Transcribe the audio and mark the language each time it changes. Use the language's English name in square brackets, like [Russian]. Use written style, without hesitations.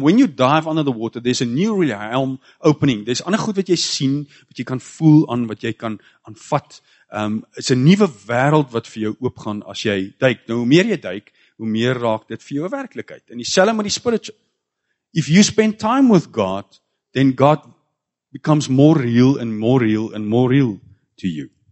[English] When you dive under the water, there's a new realm opening. [Afrikaans] There's ander goed wat jy sien, wat jy kan voel aan, wat jy kan aanvat. [English] It's a [Afrikaans] nuwe wêreld wat vir jou oopgaan as jy duik. Nou, hoe meer jy duik, hoe meer raak dit vir jou 'n werklikheid. En dieselfde met die spiritual. [English] If you spend time with God, then God becomes more real and more real and more real to you.